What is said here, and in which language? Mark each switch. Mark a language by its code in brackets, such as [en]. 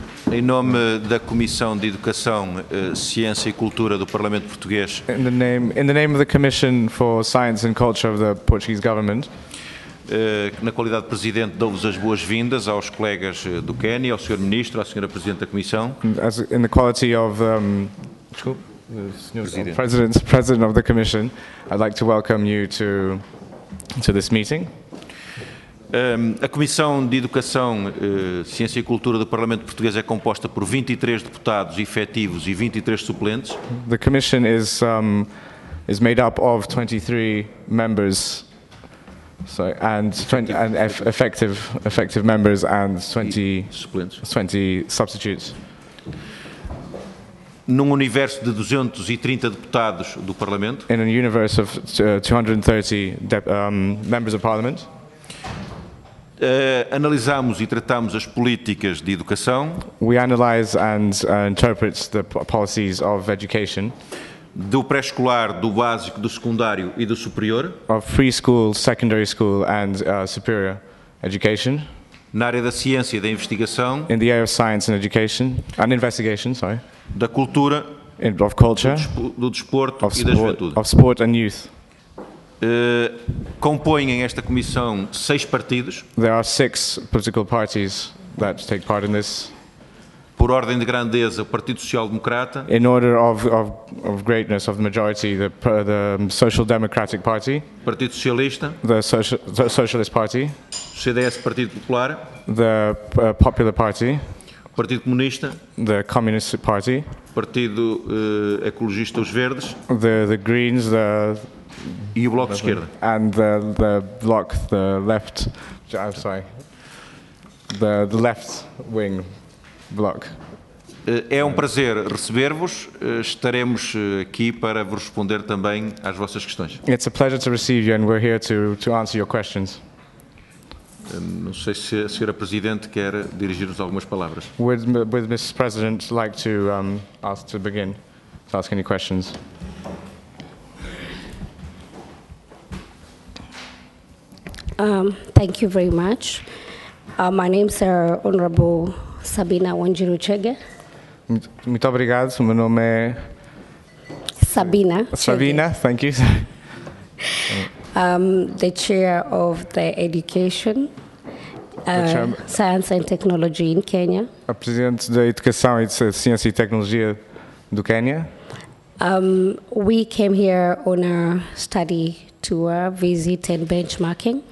[pt] Em nome da Comissão de Educação, Ciência e Cultura do Parlamento Português. [en] In the name of the Commission for Science and Culture of the Portuguese Government. [pt] Na qualidade de Presidente, dou-vos as boas-vindas aos colegas do Quénia, ao Sr. Ministro, à Sra. Presidente da Comissão. [en] In the quality of President of the Commission, I'd like to welcome you to this meeting. [pt] A Comissão de Educação, Ciência e Cultura do Parlamento Português é composta por 23 deputados efetivos e 23 suplentes. [en] The Commission is made up of 23 members. Sorry, effective members and 20 substitutes. [pt] Num universo de 230 deputados do Parlamento. [en] In a universe of 230 members of Parliament. [pt] Analisamos e tratamos as políticas de educação. [en] We analyze and interpret the policies of education. [pt] Do pré-escolar, do básico, do secundário e do superior. [en] Of preschool, secondary school and superior education. [pt] Na área da ciência e da investigação. [en] In the area of science and education, and investigation, sorry. [pt] Da cultura. [en] And of culture. [pt] Do desporto e da juventude. [en] Of sport and youth. [pt] Compõem em esta comissão 6 partidos. [en] There are 6 political parties that take part in this. [pt] Por ordem de grandeza, o Partido Social Democrata. [en] In order of greatness of the majority, the Social Democratic Party. [pt] Partido Socialista. [en] The Socialist Party. [pt] CDS, Partido Popular. [en] The Popular Party. [pt] Partido Comunista. [en] The Communist Party. [pt] Partido Ecologista, Os Verdes. [en] The Greens, the... [pt] E o Bloco de Esquerda. [en] And the Bloc, the left... I'm sorry. The left wing... Block. [pt] É um prazer receber-vos. Estaremos aqui para vos responder também às vossas questões. [en] It's a pleasure to receive you and we're here to answer your questions. [pt] Não sei se a Sra. Presidente quer dirigir-nos algumas palavras. [en] Would Mrs. President like to ask to begin to ask any questions? Thank you very much. My name is Honorable Sabina Wanjiru Chege. [pt] Muito obrigado. O meu nome é Sabina. [en] Sabina, Chege. Thank you. The chair of the education, science and technology in Kenya. [pt] A presidente da educação e da ciência e tecnologia do Quénia. [en] We came here on a study tour, visit and benchmarking.